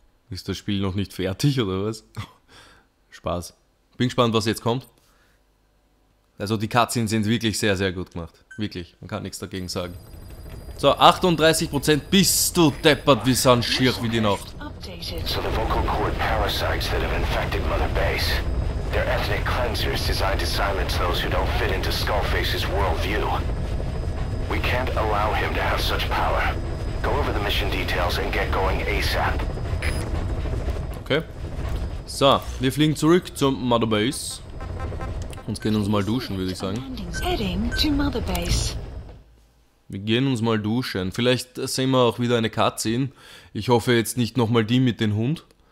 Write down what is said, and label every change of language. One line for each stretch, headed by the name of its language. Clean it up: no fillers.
German: Ist das Spiel noch nicht fertig oder was? Spaß. Bin gespannt, was jetzt kommt. Also die Cutscenes sind wirklich sehr, sehr gut gemacht. Wirklich, man kann nichts dagegen sagen. So, 38%, bist du deppert wie so ein Schirr wie die Nacht.
English: So the vocal cord parasites that have infected Mother Base. Their ethnic cleansers designed to silence those who don't fit into Skullface's worldview. We can't allow him to have such power. Go over the mission details and get going ASAP. Okay.
German: So, wir fliegen zurück zum Mother Base und gehen uns mal duschen, würde ich sagen. Wir gehen uns mal duschen. Vielleicht sehen wir auch wieder eine Cutscene. Ich hoffe jetzt nicht nochmal die mit dem Hund.